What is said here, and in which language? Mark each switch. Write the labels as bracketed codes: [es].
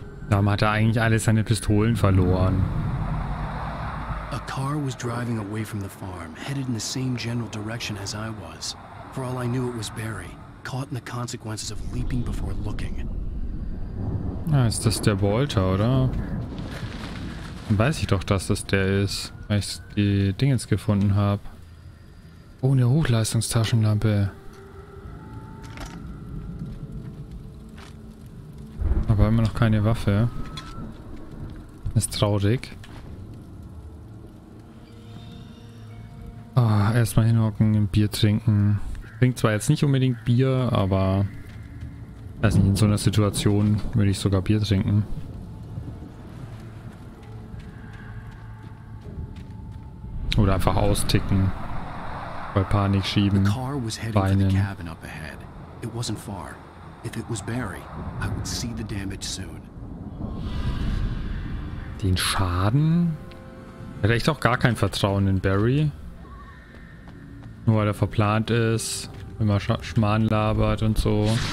[de] Darum hat er eigentlich alle seine Pistolen verloren. [en] A car was driving away from the farm, headed in the same general direction as I was. For all I knew, it was Barry, caught in the consequences of leaping before looking. [de] Ah, ist das der Walter, oder? Dann weiß ich doch, dass das der ist, weil ich die Dingens gefunden habe. Oh, eine Hochleistungstaschenlampe. Aber immer noch keine Waffe. Ist traurig. Ah, oh, erstmal hinhocken, ein Bier trinken. Ich trinke zwar jetzt nicht unbedingt Bier, aber weiß nicht, in so einer Situation würde ich sogar Bier trinken. Oder einfach austicken. Bei Panik schieben. [en] The car was headed for the cabin up ahead. It wasn't far. If it was Barry, I would see the damage soon. [de] Den Schaden? Ich hätte echt auch gar kein Vertrauen in Barry. Nur weil er verplant ist, immer Schmarrn labert und so.